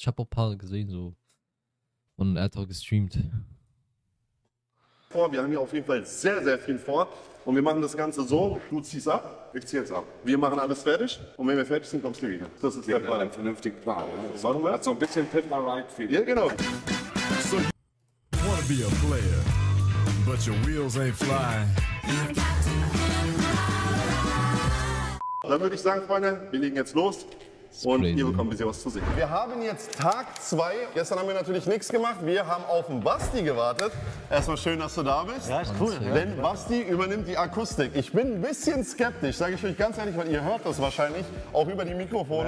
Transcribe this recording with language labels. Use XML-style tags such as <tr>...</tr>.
<de>Ich habe auch ein paar gesehen, so. Und er hat auch gestreamt. Vor. Wir haben hier auf jeden Fall sehr, sehr viel vor und wir machen das Ganze so, du ziehst ab, ich ziehe jetzt ab. Wir machen alles fertig und wenn wir fertig sind, kommst du wieder. Das ist Wir der haben Plan. einen vernünftigen Plan. Ne? Warum wir? Hat so ein bisschen Pimp My Ride-Feeling. Ja, genau. So.</de> <en>Wanna be a player, but your wheels ain't fly.</en> <de>Dann würde ich sagen, Freunde, wir legen jetzt los. Und ihr bekommt ein bisschen was zu sehen. Wir haben jetzt Tag 2. Gestern haben wir natürlich nichts gemacht. Wir haben auf den Basti gewartet. Erstmal schön, dass du da bist. Ja, ist cool. Denn Basti übernimmt die Akustik. Ich bin ein bisschen skeptisch, sage ich euch ganz ehrlich, weil ihr hört das wahrscheinlich auch über die Mikrofone.</de>